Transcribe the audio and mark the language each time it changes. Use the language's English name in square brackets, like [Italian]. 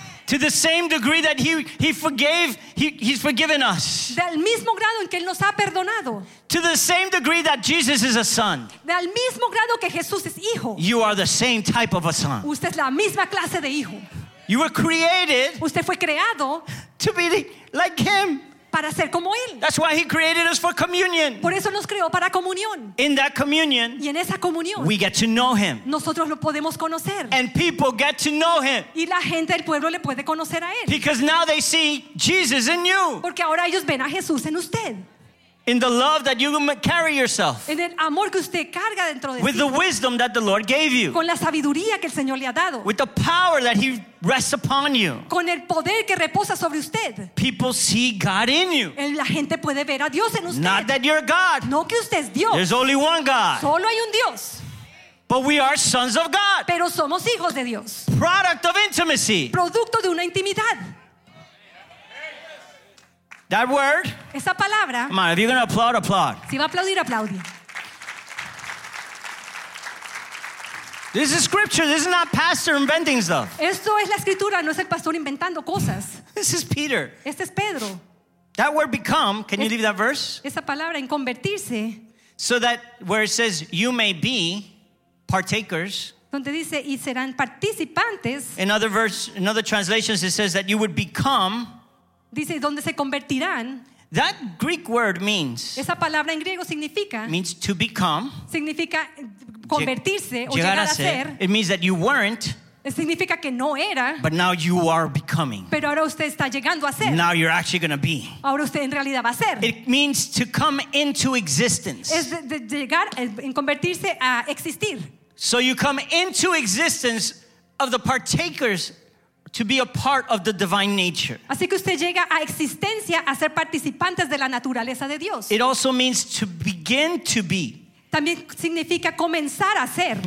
[English] To the same degree that he's forgiven us. [Spanish] Del mismo grado en que él nos ha perdonado. [English] To the same degree that Jesus is a son. [Spanish] Del mismo grado que Jesús es hijo. [English] You are the same type of a son. [Spanish] Usted es la misma clase de hijo. [English] You were created. [Spanish] Usted fue creado. [English] To be like him. [Spanish] Para ser como él. [English] That's why he created us for communion. [Spanish] Por eso nos creó para comunión. [English] In that communion, [Spanish] y en esa comunión, [English] we get to know him. [Spanish] Nosotros lo podemos conocer. [English] And people get to know him. [Spanish] Y la gente del pueblo le puede conocer a él. [English] Because now they see Jesus in you. [Spanish] Porque ahora ellos ven a Jesús en usted. [English] In the love that you carry yourself. [Spanish] En el amor que usted carga dentro de [English] with [Spanish] sí. [English] The wisdom that the Lord gave you. [Spanish] Con la sabiduría que el Señor le ha dado. [English] With the power that he rests upon you. [Spanish] Con el poder que reposa sobre usted. [English] People see God in you. [Spanish] La gente puede ver a Dios en usted. [English] Not that you're God. [Spanish] No que usted es Dios. [English] There's only one God. [Spanish] Solo hay un Dios. [English] But we are sons of God. [Spanish] Pero somos hijos de Dios. [English] Product of intimacy. [Spanish] Producto de una intimidad. [English] That word. [Spanish] Esa palabra. [English] Come on, if you're going to applaud, applaud. [Spanish] Si va a aplaudir, aplaudi. [English] This is scripture. This is not pastor inventing stuff. [Spanish] Esto es la escritura, no es el pastor inventando cosas. [English] This is Peter. [Spanish] Este es Pedro. [English] That word become, can you leave that verse? [Spanish] Esa palabra en convertirse. [English] So that where it says you may be partakers. [Spanish] Donde dice y serán participantes. [English] In other verse, in other translations it says that you would become. [Spanish] Dice donde se convertirán. [English] That Greek word means. [Spanish] Esa palabra en griego significa. [English] Means to become. [Spanish] Significa convertirse o llegar a ser. [English] It means that you weren't. [Spanish] Significa que no era. [English] But now you are becoming. [Spanish] Pero ahora usted está llegando a ser. [English] Now you're actually going to be. [Spanish] Ahora usted en realidad va a ser. [English] It means to come into existence. [Spanish] Es de llegar en convertirse a existir. [English] So you come into existence of the partakers. To be a part of the divine nature. [Spanish] Así que usted llega a existencia a ser participantes de la naturaleza de Dios. [English] It also means to begin to be. [Spanish] También significa comenzar a ser.